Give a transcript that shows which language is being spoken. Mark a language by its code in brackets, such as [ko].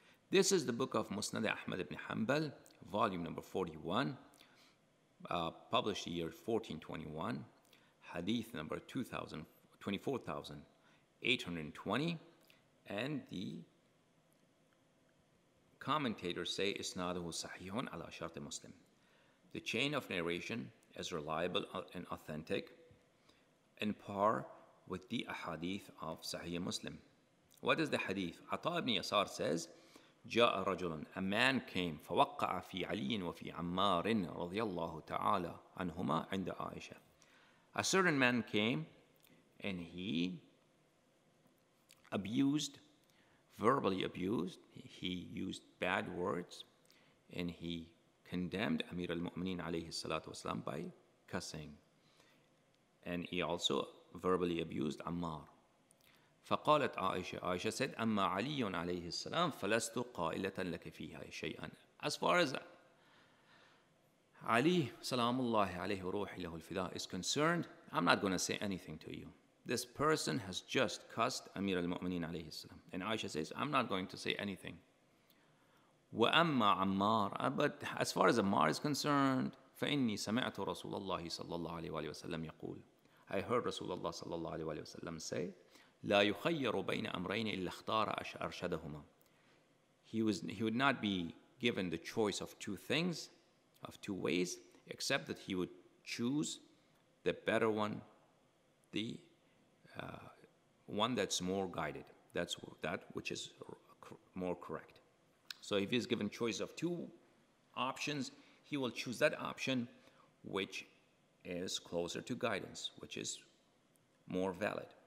[en] This is the book of Musnad Ahmad ibn Hanbal, volume number 41, published year 1421, hadith number 24,820, and the commentators say [ar] Isnaduhu Sahihun ala Sharti Muslim. [en] The chain of narration is reliable and authentic, in par with the ahadith of Sahih Muslim. What is the hadith? [ar] Ata ibn Yasar says, جاء رجل, [en] a man came, [ar] فوقع في علي وفي عمار رضي الله تعالى عنهما عند عائشة. [en] A certain man came and he abused, verbally abused, he used bad words and he condemned Amir al-Mu'mineen عليه الصلاة والسلام by cussing. And he also verbally abused عمار. [ar] فقالت عائشة, عائشة said, أما علي عليه السلام فلست قائلة لك فيها شيئا. [en] As far as علي [ar] سلام الله عليه وروحه له الفداء [en] is concerned, I'm not going to say anything to you. This person has just cussed أمير المؤمنين [ar] عليه السلام. [en] And عائشة says, I'm not going to say anything. [ar] وأما عمار, [en] but as far as عمار is concerned, [ar] فإني سمعت رسول الله صلى الله عليه وآله وسلم يقول, [en] I heard [ar] رسول الله صلى الله عليه وآله وسلم say, لا يخير بين أمرين إلا اختار أرشدهما. [en] He would not be given the choice of two things, of two ways, except that he would choose the better one, the one that's more guided. That's that which is more correct. So if he's given choice of two options, he will choose that option which is closer to guidance, which is more valid.